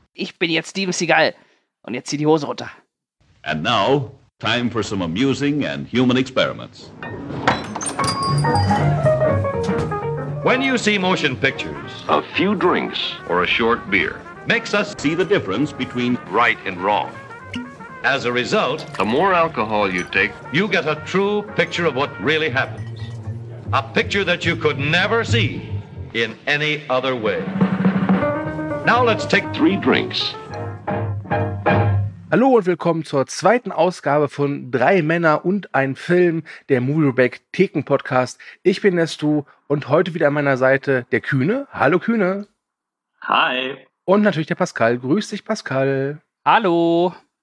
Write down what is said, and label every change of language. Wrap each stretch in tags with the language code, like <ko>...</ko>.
<de>Ich bin jetzt Steven Seagal und jetzt zieh die Hose runter.</de> <en>And now, time for some amusing and human experiments. When you see motion pictures, a few drinks or a short beer makes us see the difference between right and wrong. As a result, the more alcohol you take, you get a true picture of what really happens. A picture that you could never see in any other way. Now let's take three drinks.</en> <de>Hallo und willkommen zur zweiten Ausgabe von Drei Männer und ein Film, der Movieback Theken Podcast. Ich bin der Stu und heute wieder an meiner Seite der Kühne. Hallo Kühne. Hi. Und natürlich der Pascal. Grüß dich, Pascal. Hallo.</de>